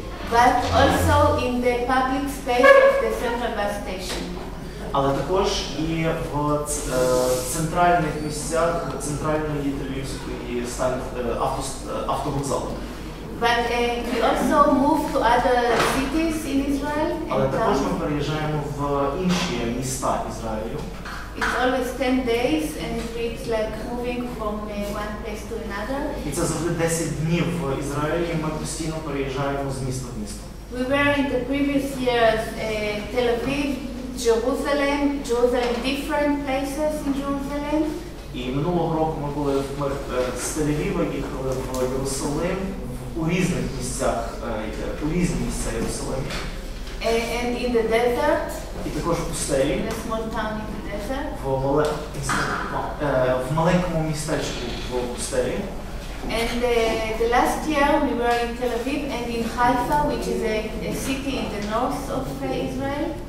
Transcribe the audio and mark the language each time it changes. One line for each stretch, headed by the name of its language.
English: But also in the public space of the central bus station.
Ukrainian: Але також і в центральних місцях центральної тель-авівської автовокзалу.
English: But we also move to other cities in Israel.
Ukrainian: Але також ми переїжджаємо в інші міста Ізраїлю.
English: It's always 10 days and it's like moving from one place to another.
Ukrainian: І це завжди 10 днів в Ізраїлі, ми постійно переїжджаємо з міста в місто.
English: We were in the previous years Tel Aviv, Jerusalem, different places in Jerusalem.
Ukrainian: І минулого року ми були з Тель-Авіва, їхали в Єрусалим, у різних місцях Єрусалима.
English: And in the desert.
Ukrainian: І також в пустелі.
English: In a small town in the desert.
Ukrainian: В маленькому містечку в пустелі.
English: And the last year we were in Tel Aviv and in Haifa, which is a city in the north of Israel.